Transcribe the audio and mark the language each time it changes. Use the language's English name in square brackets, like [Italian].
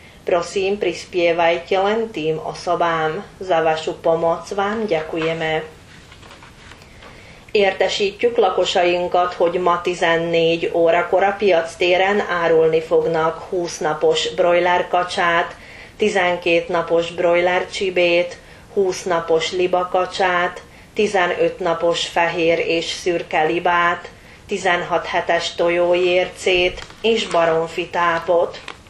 [Slovak] Prosím, prispievajte len tým osobám. Za vašu pomoc vám ďakujeme. [Hungarian] Értesítjük lakosainkat, hogy ma 14 órakor a piac téren árulni fognak 20 napos broiler kacsát, 12 napos broiler csibét, 20 napos liba kacsát, 15 napos fehér és szürke libát, 16 hetes tojójércét és baromfi tápot.